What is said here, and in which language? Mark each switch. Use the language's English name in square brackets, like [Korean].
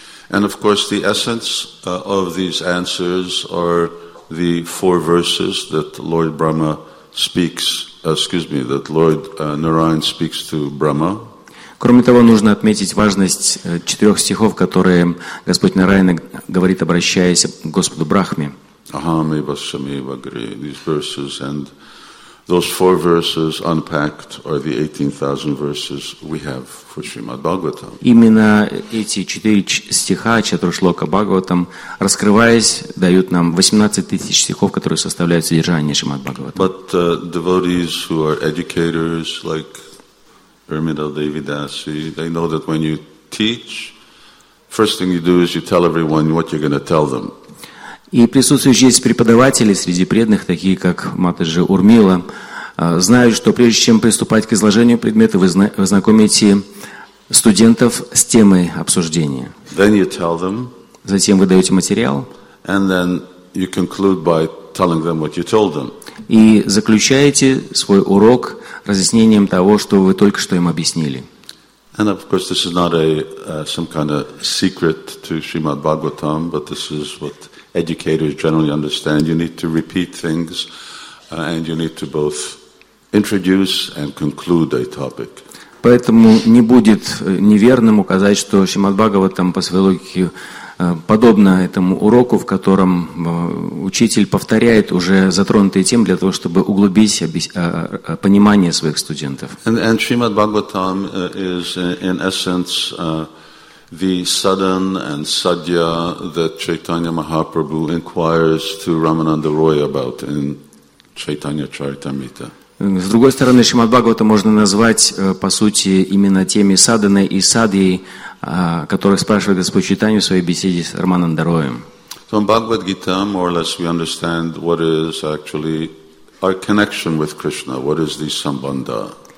[English] And of course, the essence of these answers are the four verses that Lord Brahma speaks. That Lord Narayan speaks to Brahma. [Russian] Кроме того, нужно отметить важность четырех стихов, которые Господь Нараяна говорит, обращаясь к Господу Брахме. [Sanskrit] Ахам ива сами вагре. [English] These verses and those four verses unpacked are the 18,000 verses we have for Srimad Bhagavatam. [Russian] Именно эти четыре стиха Чатуршлока Бхагаватам, раскрываясь, дают нам 18,000 стихов, которые составляют содержание Шримад Бхагаватам. [English] But devotees who are educators, like Irmida Devidasi, they know that when you teach, first thing you do is you tell everyone what you're going to tell them. [Russian] И присутствующие здесь преподаватели среди преданных, такие как Матаджи Урмила, знают, что прежде чем приступать к изложению предмета, вы знакомите студентов с темой обсуждения. [English] Then you tell them, [Russian] затем вы даете материал. [English] And then you conclude by telling them what you told them. [Russian] И заключаете свой урок разъяснением того, что вы только что им объяснили. [English] And of course, this is not some kind of secret to Srimad Bhagavatam, but this is what educators generally understand. You need to repeat things, and you need to both introduce and conclude a topic. [Russian] Поэтому не будет неверным указать, что Шримад-Бхагаватам по своей логике подобно этому уроку, в котором учитель повторяет уже затронутые темы для того, чтобы углубить понимание своих студентов. [English] And Шримад-Бхагаватам is in essence the sadhan and sadhya that Chaitanya Mahaprabhu inquires to Ramananda Roy about in Chaitanya Charitamrita. [Russian] С другой стороны, Шримад-Бхагаватам можно назвать, по сути, именно теми садханой и садьей, которых спрашивает Господь Чайтанья в своей беседе с Рамананда Роем. [English] So in Bhagavad Gita, more or less, we understand what is actually our connection with Krishna, what is the sambandha.